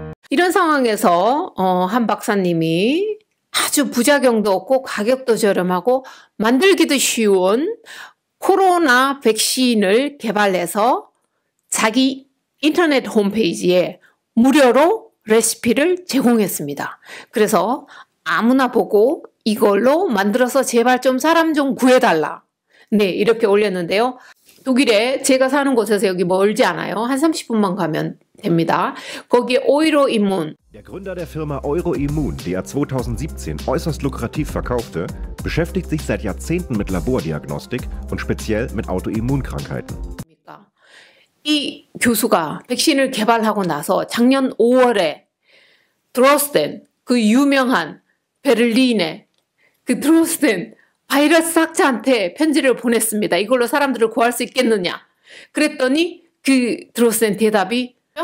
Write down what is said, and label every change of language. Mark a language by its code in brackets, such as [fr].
[ko] 이런 상황에서 한 박사님이 아주 부작용도 없고 가격도 저렴하고 만들기도 쉬운 코로나 백신을 개발해서 자기 인터넷 홈페이지에 무료로 레시피를 제공했습니다. 그래서 아무나 보고 이걸로 만들어서 제발 좀 사람 좀 구해달라. 네, 이렇게 올렸는데요. 독일에 제가 사는 곳에서 여기 멀지 않아요. 한 30분만 가면 됩니다. 거기에 오이로 이문. [de] Der Gründer der Firma Euroimmun, die ab 2017 äußerst lukrativ verkaufte, beschäftigt sich seit Jahrzehnten mit Labordiagnostik und speziell mit Autoimmunkrankheiten. [ko] 이 교수가 백신을 개발하고 나서 작년 5월에 드로스덴, 그 유명한 베를린의 그 드로스덴 바이러스 학자한테 편지를 보냈습니다. 이걸로 사람들을 구할 수 있겠느냐? 그랬더니 그 드로스덴 대답이